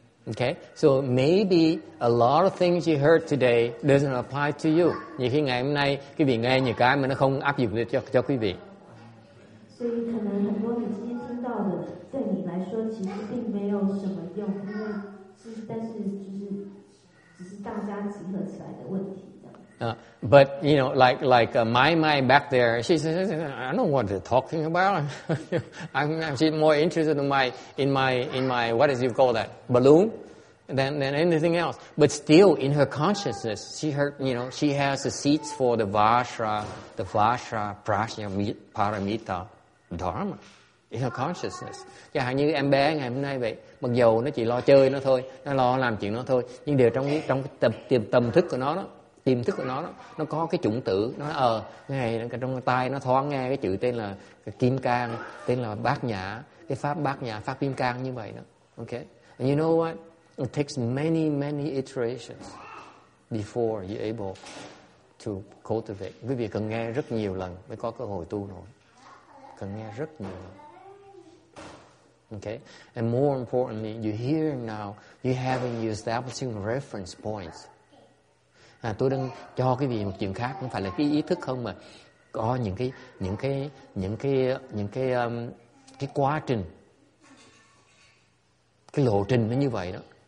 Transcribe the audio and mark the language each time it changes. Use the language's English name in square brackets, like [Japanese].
[English] Okay, so maybe a lot of things you heard today doesn't apply to you. [Chinese] 有些 [Vietnamese] ngày hôm nay quý vị nghe những cái mà nó không áp dụng được cho quý vị. [Chinese] 所以可能很多你今天听到的，对你来说其实并没有什么用，因为是但是就是只是大家集合起来的问题。 [English] But you know, like my back there, she says, "I don't know what they're talking about." she's more interested in my what is you call that balloon than anything else. But still, in her consciousness, she has the seeds for the Vajra Prajna Paramita Dharma in her consciousness. [Vietnamese] Chẳng hạn như em bé ngày hôm nay vậy. Mặc dù nó chỉ lo chơi nó thôi, nó lo làm chuyện nó thôi, nhưng đều trong tâm thức của nó đó. Tiềm thức của nó có cái chủng tử, nó ngày trong tai nó thoáng nghe cái chữ tên là Kim Cang, tên là Bát Nhã, cái pháp Bát Nhã, pháp Kim Cang như vậy đó. [English] Okay, and you know what, it takes many many iterations before you're able to cultivate. [Vietnamese] Quý vị cần nghe rất nhiều lần mới có cơ hội tu nổi, cần nghe rất nhiều lần. [English] Okay, and more importantly, you hear now, you having your establishing reference points. [Vietnamese] À, tôi đang cho cái gì một chuyện khác, không phải là cái ý thức không, mà có những cái quá trình, cái lộ trình nó như vậy đó.